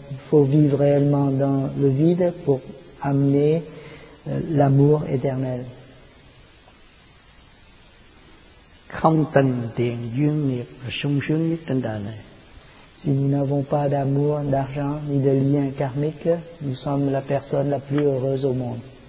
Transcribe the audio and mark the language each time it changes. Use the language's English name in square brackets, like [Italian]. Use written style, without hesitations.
[French] Faut vivre réellement dans le vide pour amener l'amour éternel. [Vietnamese] Không tình tiền duyên nghiệp là sung sướng nhất trên đời này. [French] Si nous n'avons pas d'amour, d'argent, ni de lien karmique, nous sommes la personne la plus heureuse au monde.